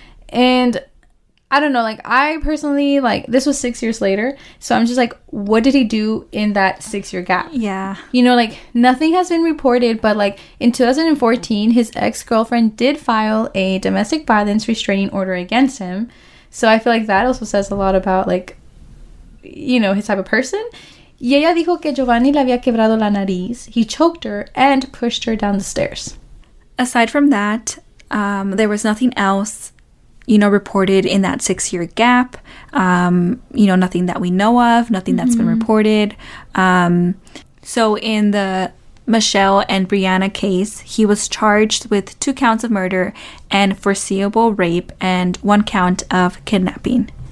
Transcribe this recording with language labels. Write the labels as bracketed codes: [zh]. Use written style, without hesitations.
[en] And I don't know, like, I personally, like, this was 6 years later, so I'm just like, what did he do in that six-year gap? Yeah. You know, like, nothing has been reported, but, like, in 2014, his ex-girlfriend did file a domestic violence restraining order against him. So I feel like that also says a lot about, like, you know, his type of person. [es] Y ella dijo que Giovanni le había quebrado la nariz. [en] He choked her and pushed her down the stairs. Aside from that, there was nothing else, you know, reported in that six-year gap. You know, nothing that we know of, nothing mm-hmm. that's been reported. So in the Michelle and Brianna case, he was charged with 2 counts of murder and foreseeable rape and 1 count of kidnapping.